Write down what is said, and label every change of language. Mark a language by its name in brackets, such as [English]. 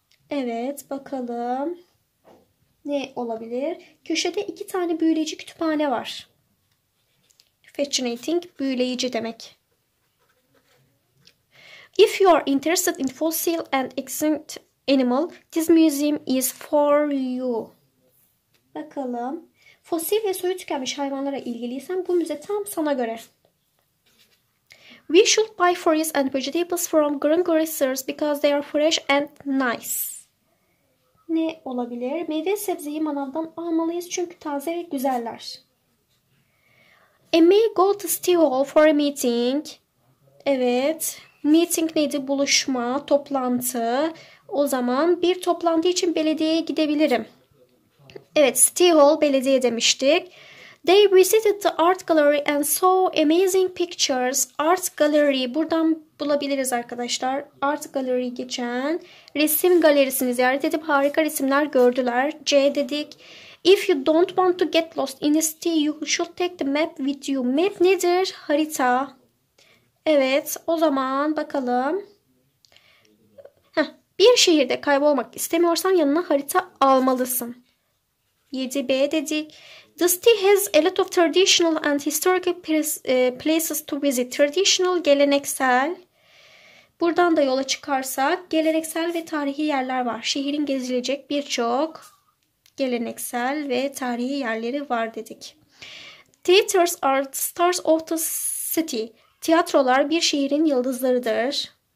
[Turkish] Evet, bakalım. Ne olabilir? Köşede iki tane büyüleyici kütüphane var. Fascinating, büyüleyici demek. [English] If you are interested in fossil and extinct animal, this museum is for you. [Turkish] Bakalım. Fosil ve soyu tükenmiş hayvanlara ilgiliysen bu müze tam sana göre. [English] We should buy fruits and vegetables from green grocers because they are fresh and nice. [Turkish] Ne olabilir? Meyve sebzeyi manavdan almalıyız çünkü taze ve güzeller. [English] May go to City Hall for a meeting. [Turkish] Evet. [English] Meeting [Turkish] neydi? Buluşma, toplantı. O zaman bir toplantı için belediyeye gidebilirim. Evet, City Hall belediye demiştik. [English] They visited the art gallery and saw amazing pictures. [Turkish] Art gallery buradan bulabiliriz arkadaşlar. Art gallery geçen resim galerisini ziyaret edip harika resimler gördüler. C dedik. [English] If you don't want to get lost in the city, you should take the map with you. [Turkish] Map nedir? Harita. Evet, o zaman bakalım. Bir şehirde kaybolmak istemiyorsan yanına harita almalısın. 7B dedik. [English] The city has a lot of traditional and historical places to visit. [Turkish] Traditional, geleneksel. Buradan da yola çıkarsak geleneksel ve tarihi yerler var. Şehrin gezilecek birçok geleneksel ve tarihi yerleri var dedik. [English] Theaters are stars of the city. [Turkish] Tiyatrolar bir şehrin yıldızlarıdır.